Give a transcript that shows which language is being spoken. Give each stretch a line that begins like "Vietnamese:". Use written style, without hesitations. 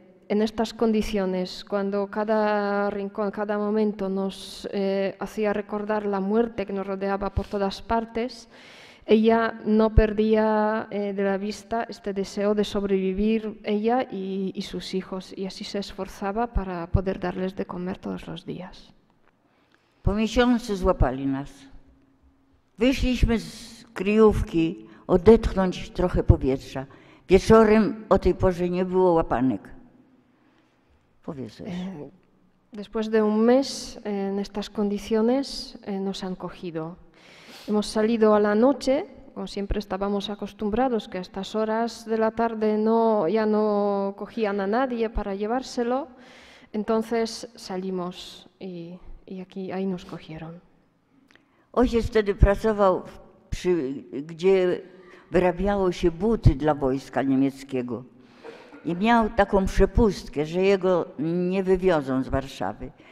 Spanish: En estas condiciones, cuando cada rincón, cada momento nos hacía recordar la muerte que nos rodeaba por todas partes, ella no perdía de la vista este deseo de sobrevivir, ella y sus hijos, y así se esforzaba para poder darles de comer todos los días.
Polish: Po miesiącu złapali nas. Wyszliśmy z kryjówki odetchnąć trochę powietrza. Wieczorem o tej porze nie było łapanek.
Spanish: Después de un mes en estas condiciones nos han cogido. Hemos salido a la noche, como siempre estábamos acostumbrados, que a estas horas de la tarde ya no cogían a nadie para llevárselo. Entonces salimos y aquí ahí nos cogieron.
Polish: Ojciec wtedy pracował gdzie wyrabiało się buty dla wojska niemieckiego. I miał taką przepustkę, że jego nie wywiozą z Warszawy.